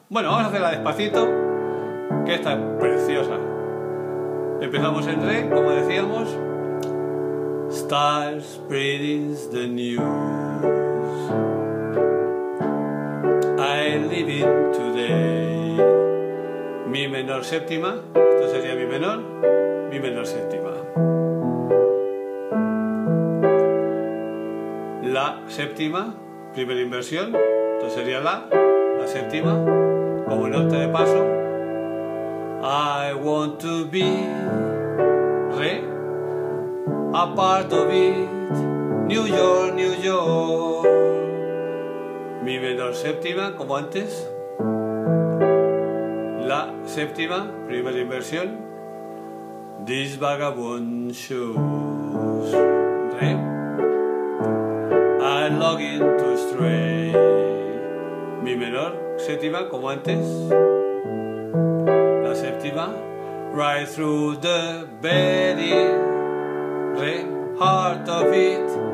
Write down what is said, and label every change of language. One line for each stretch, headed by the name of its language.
Spanish: Bueno, vamos a hacerla despacito, que está preciosa. Empezamos en re, como decíamos.
English: Stars spreading the news I live in today.
Spanish: Mi menor séptima, esto sería mi menor séptima. La séptima, primera inversión, esto sería la séptima, como nota de paso.
English: I want to be, re, a part of it, New York, New York.
Spanish: Mi menor séptima, como antes. La séptima, primera inversión.
English: These vagabond shoes,
Spanish: re.
English: I'm longing to stray.
Spanish: Mi menor séptima, como antes. La séptima.
English: Right through the very re, heart of it.